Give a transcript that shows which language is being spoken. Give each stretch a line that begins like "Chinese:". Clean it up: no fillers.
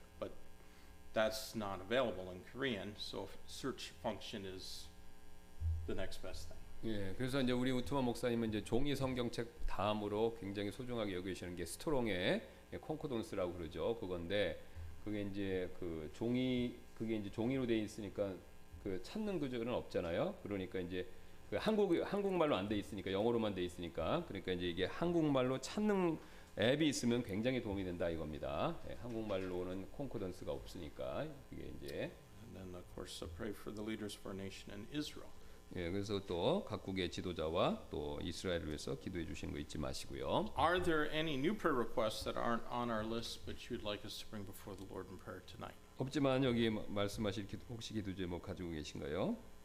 English: But that's not available in Korean, so search function is the next best thing.
Korean: 예, 그래서 이제 우리 우투만 목사님은 이제 종이 성경책 다음으로 굉장히 소중하게 여기시는 게 스트롱의 콘코던스라고 그러죠. 그건데 그게 이제 그 종이 그게 이제 종이로 돼 있으니까 그 찾는 구절은 없잖아요. 그러니까 이제 그 한국말로 안 돼 있으니까 영어로만 돼 있으니까 그러니까 이제 이게 한국말로 찾는 앱이 있으면 굉장히 도움이 된다 이겁니다. 예, 한국말로는 콘코던스가 없으니까 이게 이제.
English: And then of course I pray for the leaders of our nation and Israel.
Korean: 예, 그래서 또 각국의 지도자와 또 이스라엘을 위해서 기도해 주신 거 잊지 마시고요.
English: Are there any new prayer requests that aren't on our list but you'd like us to bring before the Lord in prayer tonight?
Korean: 없지만 여기 말씀하실 혹시 기도 제목 가지고 계신가요?